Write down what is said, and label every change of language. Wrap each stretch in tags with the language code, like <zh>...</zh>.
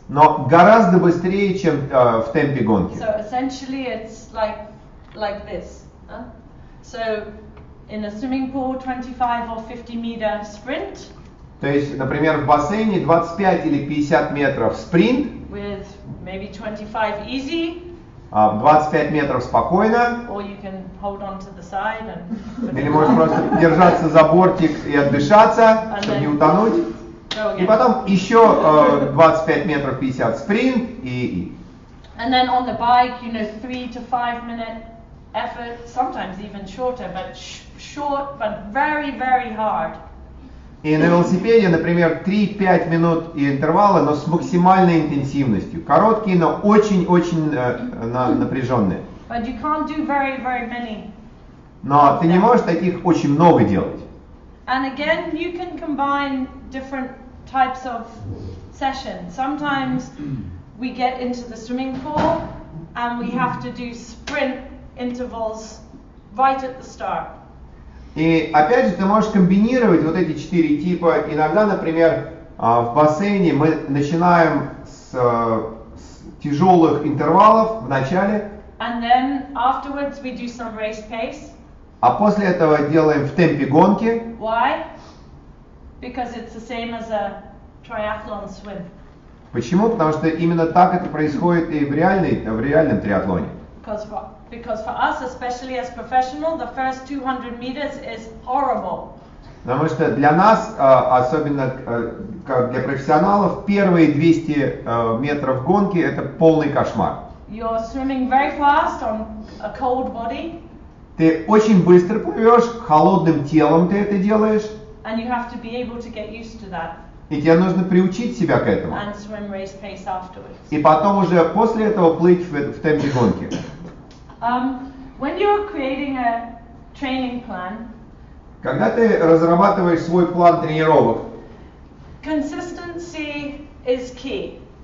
<ru>Но гораздо быстрее, чем в темпе гонки.</ru> <en>So essentially it's like this. So in a swimming pool 25 or 50 meter sprint.</en> <ru>То есть, например, в бассейне 25 или 50 метров спринт.</ru> <en>With maybe 25 easy.</en> <ru>25 метров спокойно.</ru> <en>Or you can hold on to the side and.</en> <ru>Или можешь просто держаться за бортик и отдышаться, чтобы не утонуть. И потом еще 25 метров 50 спринт и.</ru> <en>And then on the bike, you know, 3 to 5 minute effort, sometimes even shorter, but short, but very, very hard.</en> <ru>И на велосипеде, например, 3-5 минут интервала, но с максимальной интенсивностью. Короткие, но очень-очень напряженные.</ru> <en>But you can't do very, very many.</en> <ru>Но ты не можешь таких очень много делать.</ru> <en>And again, you can combine different types of session. Sometimes we get into the swimming pool and we have to do sprint intervals right at the start.</en> <ru>И опять же, ты можешь комбинировать вот эти четыре типа. Иногда, например, в бассейне мы начинаем с тяжелых интервалов в начале.</ru> <en>And then afterwards we do some race pace.</en> <ru>А после этого делаем в темпе гонки.</ru> <en>Why? Because it's the same as a triathlon swim.</en> <ru>Почему? Потому что именно так это происходит и в реальном триатлоне.</ru> <en>Because for us, especially as professional, the first 200 meters is horrible.</en> <ru>Потому что для нас, особенно как для профессионалов, первые 200 метров гонки это полный кошмар.</ru> <en>You're swimming very fast on a cold body.</en> <ru>Ты очень быстро плывешь, холодным телом ты это делаешь.</ru> <en>And you have to be able to get used to that.</en> <ru>И тебе нужно приучить себя к этому.</ru> <en>And swim race pace afterwards.</en> <ru>И потом уже после этого плыть в темпе гонки.</ru> <en>When you're creating a training plan,</en> <ru>когда ты разрабатываешь свой план тренировок,</ru> <en>consistency is key.</en>